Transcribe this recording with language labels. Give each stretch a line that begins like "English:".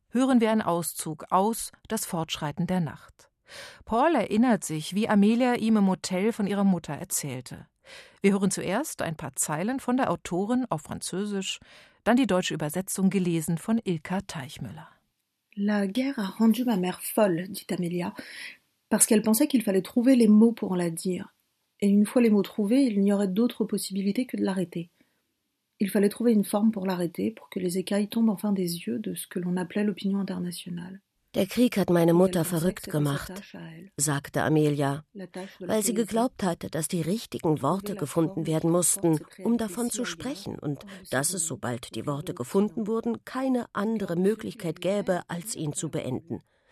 German: Hören wir einen Auszug aus »Das Fortschreiten der Nacht«. Paul erinnert sich, wie Amelia ihm im Hotel von ihrer Mutter erzählte. Wir hören zuerst ein paar Zeilen von der Autorin auf Französisch, dann die deutsche Übersetzung gelesen von Ilka Teichmüller.
French: »La guerre a rendu ma mère folle«, dit Amelia, »parce qu'elle pensait qu'il fallait trouver les mots pour la dire. Et une fois les mots trouvés, il n'y aurait d'autre possibilité que de l'arrêter. » Il fallait trouver une forme pour l'arrêter, pour que les écailles tombent enfin des yeux de ce que l'on appelait l'opinion internationale.
German: Der Krieg hat meine Mutter verrückt gemacht, sagte Amelia, weil sie geglaubt hatte, dass die richtigen Worte gefunden werden mussten, um davon zu sprechen, und dass es, sobald die Worte gefunden wurden, keine andere Möglichkeit gäbe, als ihn zu beenden.